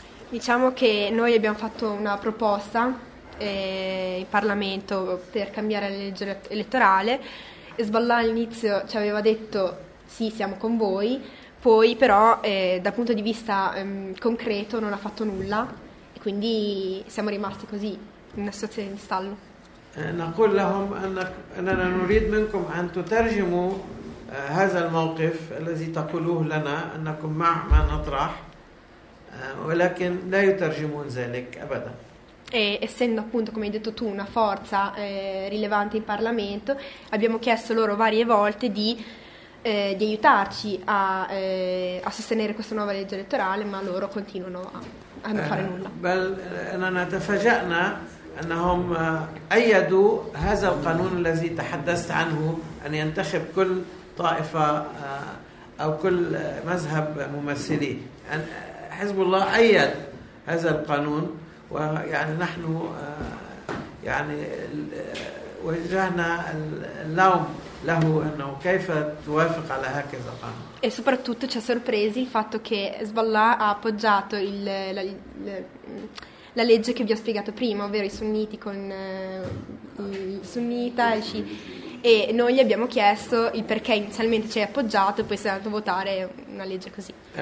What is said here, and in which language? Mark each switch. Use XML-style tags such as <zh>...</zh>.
<it>Diciamo che noi abbiamo fatto una proposta in Parlamento per cambiare la legge elettorale. Hezbollah all'inizio ci aveva detto sì, siamo con voi, poi però dal punto di vista concreto non ha fatto nulla e quindi siamo rimasti così in una situazione di stallo.</it> <ar>نقول لهم أننا نريد منكم أن تترجموا هذا الموقف الذي تقولوه لنا أنكم مع ما نطرح ولكن لا يترجمون ذلك أبدا.</ar> <it>E essendo appunto, come hai detto tu, una forza rilevante in Parlamento, abbiamo chiesto loro varie volte di aiutarci a sostenere questa nuova legge elettorale, ma loro continuano a non fare nulla.</it> <ar>بل أننا تفاجأنا أنهم أيدوا هذا القانون الذي تحدثت عنه أن ينتخب كل طائفة أو كل مذهب ممثلي. حزب الله أيد هذا القانون ويعني نحن يعني وجهنا اللوم له أنه كيف توافق على هكذا قانون.</ar> <it>E soprattutto ci ha sorpresi il fatto che Hezbollah ha appoggiato la legge che vi ho spiegato prima, ovvero i sunniti con il sunnita e noi gli abbiamo chiesto il perché inizialmente ci hai appoggiato e poi sei andato a votare una legge così.</it>